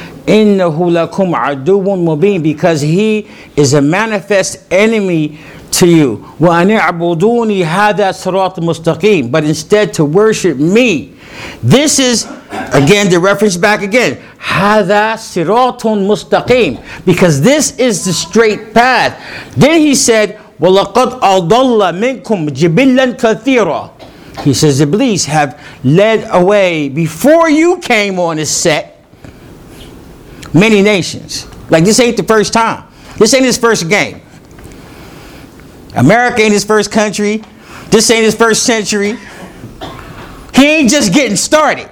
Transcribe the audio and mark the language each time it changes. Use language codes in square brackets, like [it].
[ar] Innahu lakum aduwwun mubin, [en] because he is a manifest enemy to you. [ar] Wa ani'buduni hadha sirat mustaqim, [en] but instead to worship me. This is, again, the reference back again. [ar] Hadha siratun mustaqim. [en] Because this is the straight path. Then he said, [ar] وَلَقَدْ أَضَلَّ مِنْكُمْ جِبِلًّا كَثِيرًا. [en] He says, Iblis have led away, before you came on the set, many nations. Like, this ain't the first time. This ain't his first game. America ain't his first country. This ain't his first century. He ain't just getting started.